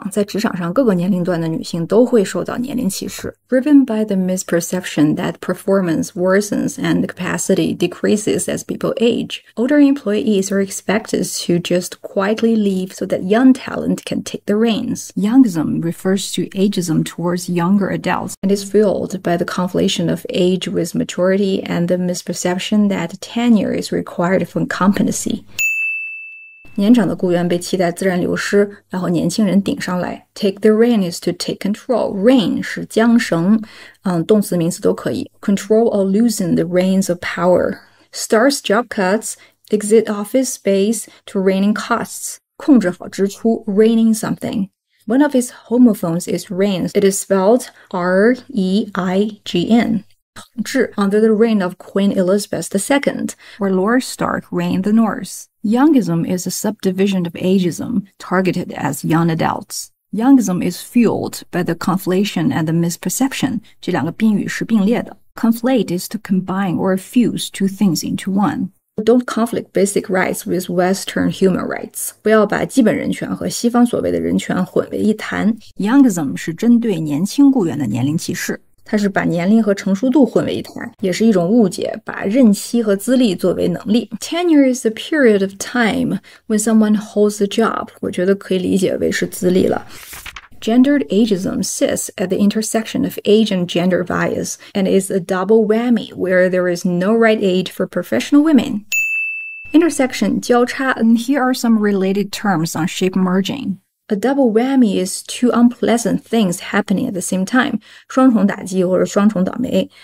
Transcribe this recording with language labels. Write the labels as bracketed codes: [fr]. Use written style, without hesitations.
[zh] 在职场上，各个年龄段的女性都会受到年龄歧视。 [en] Driven by the misperception that performance worsens and capacity decreases as people age, older employees are expected to just quietly leave so that young talent can take the reins. Youngism refers to ageism towards younger adults and is fueled by the conflation of age with maturity and the misperception that tenure is required for competency. [zh] 年长的雇员被期待自然流失，然后年轻人顶上来。 [en] Take the rein is to take control. Rein [zh] 是缰绳，动词、名词都可以。 [en] Control or loosen the reins of power. Starts job cuts, exit office space to rein in costs. [zh] 控制好支出 [en] ,rein in something. One of his homophones is rein. It is spelled R-E-I-G-N. 统治 under the reign of Queen Elizabeth II, where Lord Stark reigned the North. Youngism is a subdivision of ageism targeted as young adults. Youngism is fueled by the conflation and the misperception. [zh] 这两个宾语是并列的。 [en] Conflate is to combine or fuse two things into one. Don't conflict basic rights with Western human rights. [zh] 不要把基本人权和西方所谓的人权混为一谈。 Youngism 是针对年轻雇员的年龄歧视。它是把年龄和成熟度混为一谈，也是一种误解，把任期和资历作为能力。 [en] Tenure is a period of time when someone holds a job. [zh] 我觉得可以理解为是资历了。 [en] Gendered ageism sits at the intersection of age and gender bias and is a double whammy where there is no right age for professional women. Intersection, 交叉 and here are some related terms on shape merging. A double whammy is two unpleasant things happening at the same time, [zh] 双重打击或者双重倒霉。